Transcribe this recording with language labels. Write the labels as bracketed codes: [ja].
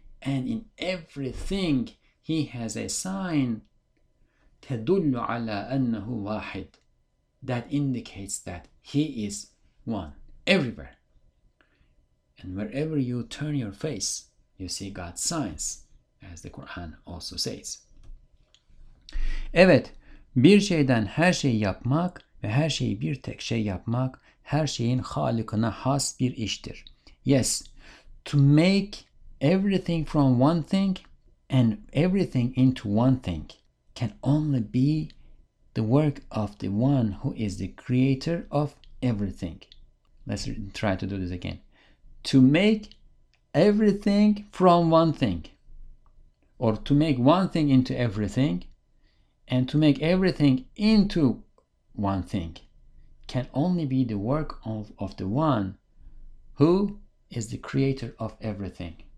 [en] And in everything, he has a sign [ar] تَدُلُّ عَلَىٰ أَنَّهُ وَاحِدٌ, [en] that indicates that he is one. Everywhere. And wherever you turn your face, you see God's signs, as the Quran also says. [tr] Evet, bir şeyden her şeyi yapmak ve her şeyi bir tek şey yapmak her şeyin Halık'ına has bir iştir. [en] Yes, to make everything from one thing and everything into one thing can only be the work of the one who is the creator of everything. Let's try to do this again. To make everything from one thing, or to make one thing into everything, and to make everything into one thing, can only be the work of the one who is the creator of everything.